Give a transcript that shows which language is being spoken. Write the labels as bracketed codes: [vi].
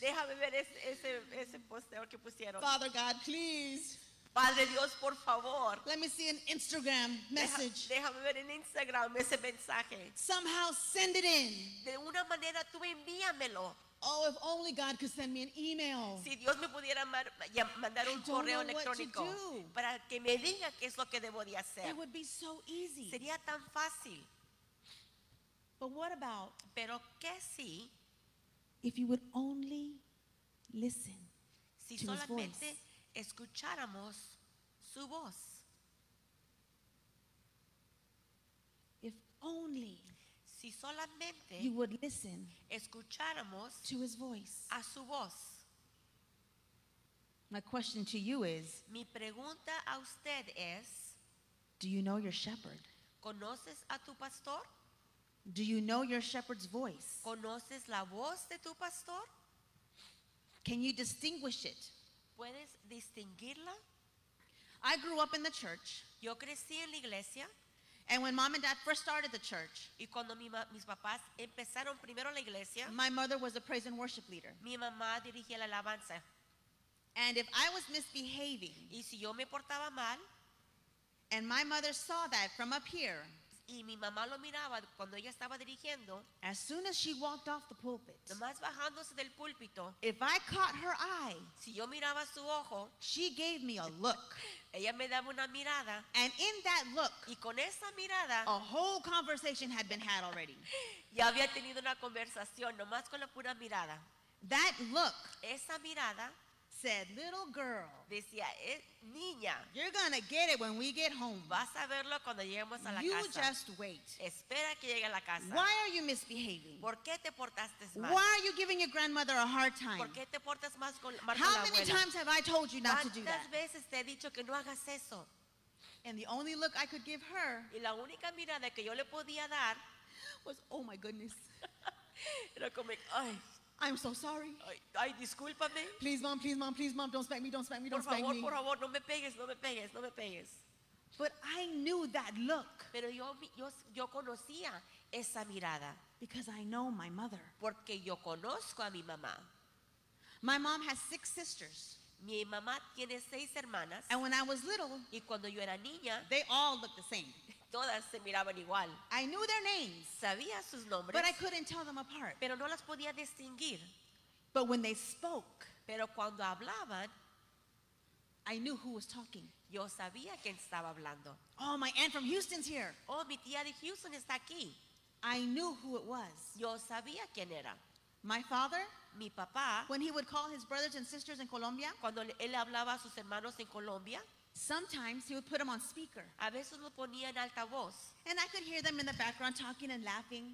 [es] Déjame ver ese posteo que pusieron. [en] Father God, please. [es] Padre Dios, por favor. [en] Let me see an Instagram message. [es] Déjame ver en Instagram ese mensaje. [en] Somehow send it in. [es] De una manera tú envíamelo. [en] Oh, if only God could send me an email. [es] Si Dios me pudiera mandar un correo electrónico para que me diga qué es lo que debo de hacer. [en] It would be so easy. [es] Sería tan fácil. [en] But what about? [es] Pero qué si, [en] if you would only listen, [es] si [en] to his voice. [es] Si solamente escucháramos su voz. [en] If only, [es] si solamente, [en] you would listen, [es] escucháramos [en] to his voice. [es] A su voz. [en] My question to you is, [es] mi pregunta a usted es, [en] do you know your shepherd? [es] ¿Conoces a tu pastor? [en] Do you know your shepherd's voice? [es] ¿Conoces la voz de tu pastor? [en] Can you distinguish it? [es] ¿Puedes distinguirla? [en] I grew up in the church. [es] Yo crecí en la iglesia. [en] And when mom and dad first started the church, [es] y cuando mis papás empezaron primero la iglesia, [en] my mother was the praise and worship leader. [es] Mi mamá dirigía la alabanza. [en] And if I was misbehaving, [es] y si yo me portaba mal, [en] and my mother saw that from up here, [es] y mi mamá lo miraba cuando ella estaba dirigiendo, [en] as soon as she walked off the pulpit, [es] nomás bajándose del púlpito, [en] if I caught her eye, [es] si yo miraba su ojo, [en] she gave me a look. [es] Ella me daba una mirada, [en] and in that look, [es] y con esa mirada, [en] a whole conversation had been had already. [es] Ya había tenido una conversación nomás con la pura mirada. [en] That look, [es] esa mirada, [en] said, little girl, [es] decía, niña, [en] you're going to get it when we get home. [es] Vas a verlo cuando lleguemos a la [en] you [es] casa. [en] Just wait. [es] Espera que llegue a la casa. [en] Why are you misbehaving? [es] ¿Por qué te portaste mal? [en] Why are you giving your grandmother a hard time? [es] ¿Por qué te portas más con la [en] How many [es] abuela? [en] Times have I told you not to do that? [es] ¿Cuántas veces te he dicho que no hagas eso? [en] And the only look I could give her, [es] y la única mirada que yo le podía dar, [en] was, oh my goodness. [es] Era como, ay, [en] I'm so sorry. [es] Ay, discúlpame. [en] Please, mom, please, mom, please, mom, don't spank me, don't spank me, don't spank me. Por [es] favor, por favor, no me pegues, no me pegues, no me pegues. [en] But I knew that look. [es] Pero yo conocía esa mirada. [en] Because I know my mother. [es] Porque yo conozco a mi mamá. [en] My mom has six sisters. [es] Mi mamá tiene seis hermanas. [en] And when I was little, [es] y cuando yo era niña, [en] they all looked the same. [es] Todas se miraban igual. [en] I knew their names, [es] sabía sus nombres, [en] but I couldn't tell them apart. [es] Pero no las podía distinguir. [en] But when they spoke, [es] pero cuando hablaban, [en] I knew who was talking. [es] Yo sabía quién estaba hablando. [en] Oh, my aunt from Houston's here. [es] Oh, mi tía de Houston está aquí. [en] I knew who it was. [es] Yo sabía quién era. [en] My father, [es] mi papá, [en] when he would call his brothers and sisters in Colombia, [es] cuando él hablaba a sus hermanos en Colombia, [en] sometimes he would put them on speaker. [es] A veces lo ponía en altavoz. [en] And I could hear them in the background talking and laughing.